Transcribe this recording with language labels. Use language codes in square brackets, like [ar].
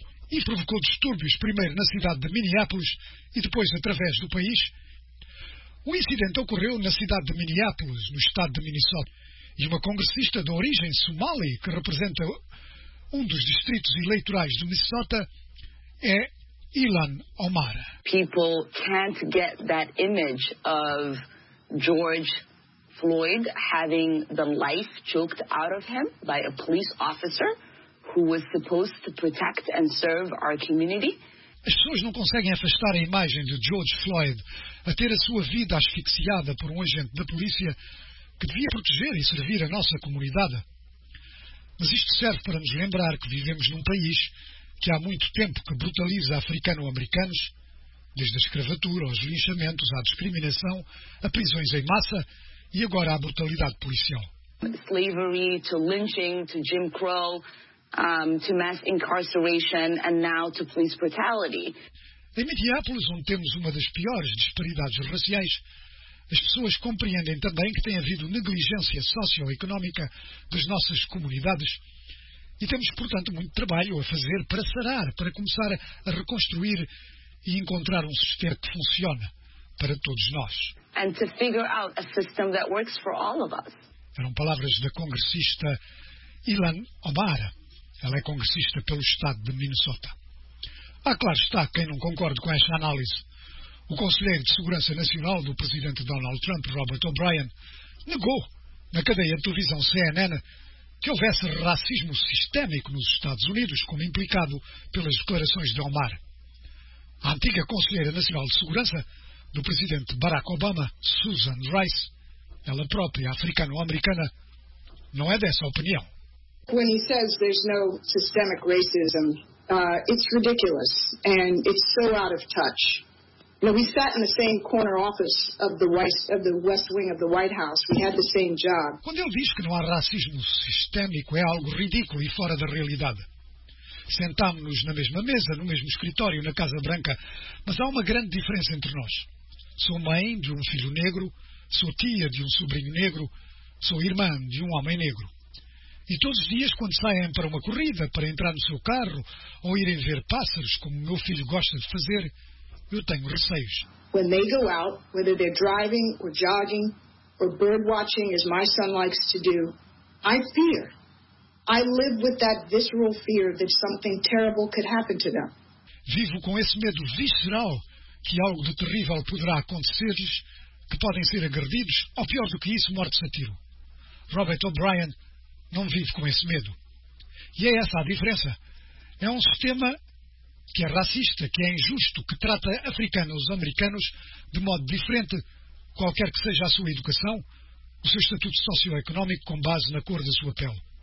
[pt] E provocou distúrbios, primeiro na cidade de Minneapolis e depois através do país. O incidente ocorreu na cidade de Minneapolis, no estado de Minnesota, e uma congressista de origem somali, que representa um dos distritos eleitorais de Minnesota, é Ilan Omar. [en] People can't get that image of George Floyd having the life choked out of him by a police officer who was supposed to protect and serve our community. [pt] As pessoas não conseguem afastar a imagem de George Floyd a ter a sua vida asfixiada por um agente da polícia que devia proteger e servir a nossa comunidade. Mas isto serve para nos lembrar que vivemos num país que há muito tempo que brutaliza africano-americanos, desde a escravatura aos linchamentos, à discriminação, a prisões em massa e agora à brutalidade policial. [en] Slavery, to lynching, to Jim Crow, to mass incarceration and now to police brutality. [pt] Em Minneapolis, onde temos uma das piores disparidades raciais, as pessoas compreendem também que tem havido negligência socioeconómica das nossas comunidades e temos, portanto, muito trabalho a fazer para sarar, para começar a reconstruir e encontrar um sistema que funciona para todos nós. [en] And to figure out a system that works for all of us. [pt] Eram palavras da congressista Ilan Omar. Ela é congressista pelo estado de Minnesota. Ah, claro está, quem não concorde com esta análise. O conselheiro de Segurança Nacional do presidente Donald Trump, Robert O'Brien, negou, na cadeia de televisão CNN, que houvesse racismo sistémico nos Estados Unidos, como implicado pelas declarações de Omar. A antiga conselheira nacional de Segurança, do presidente Barack Obama, Susan Rice, ela própria africano-americana, não é dessa opinião. [en] When he says there's no systemic racism, it's ridiculous and it's so out of touch. You know, we sat in the same corner office of the West Wing of the White House. We had the same job. [pt] Quando ele diz que não há racismo sistémico, é algo ridículo e fora da realidade. Sentámo-nos na mesma mesa, no mesmo escritório, na Casa Branca, mas há uma grande diferença entre nós. Sou mãe de um filho negro, sou tia de um sobrinho negro, sou irmã de um homem negro. E todos os dias, quando saem para uma corrida, para entrar no seu carro, ou irem ver pássaros, como o meu filho gosta de fazer, eu tenho receios. [en] When they go out, whether they're driving or jogging or bird watching, as my son likes to do, I fear. I live with that visceral fear that something terrible could happen to them. [pt] Vivo com esse medo visceral que algo de terrível poderá acontecer-lhes, que podem ser agredidos, ou pior do que isso, mortos a tiro. Robert O'Brien não vive com esse medo. E é essa a diferença. É um sistema que é racista, que é injusto, que trata africanos e americanos de modo diferente, qualquer que seja a sua educação, o seu estatuto socioeconómico com base na cor da sua pele.